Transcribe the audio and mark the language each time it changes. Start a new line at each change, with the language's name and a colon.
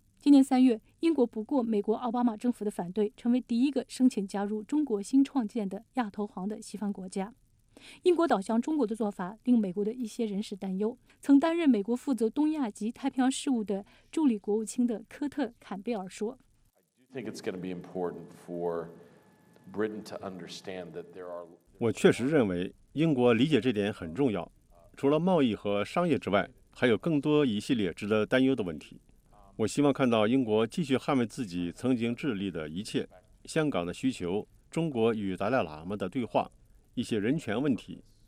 Chinese: 今年3月，英国不过美国奥巴马政府的反对，成为第一个申请加入中国新创建的亚投行的西方国家。英国倒向中国的做法令美国的一些人士担忧。曾担任美国负责东亚及太平洋事务的助理国务卿的科特·坎贝尔说，
English: I do think it's going to be important for Britain to understand that there are.
Chinese: 我确实认为英国理解这点很重要。除了贸易和商业之外，还有更多一系列值得担忧的问题。我希望看到英国继续捍卫自己曾经致力的一切，香港的需求，中国与达赖喇嘛的对话，一些人权问题。